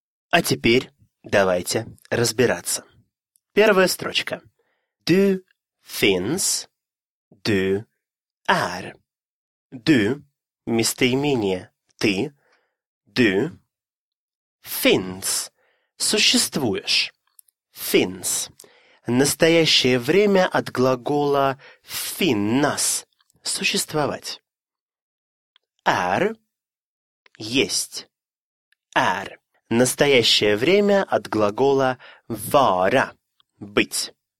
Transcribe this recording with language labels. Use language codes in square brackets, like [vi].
[ru] А теперь давайте разбираться. Первая строчка. [sv] Du finns, du är. [ru] Du, местоимение, ты, du, finns, существуешь, finns. Настоящее время от глагола finnas, существовать. [sv] Är, есть, är. [ru] Настоящее время от глагола vara, быть.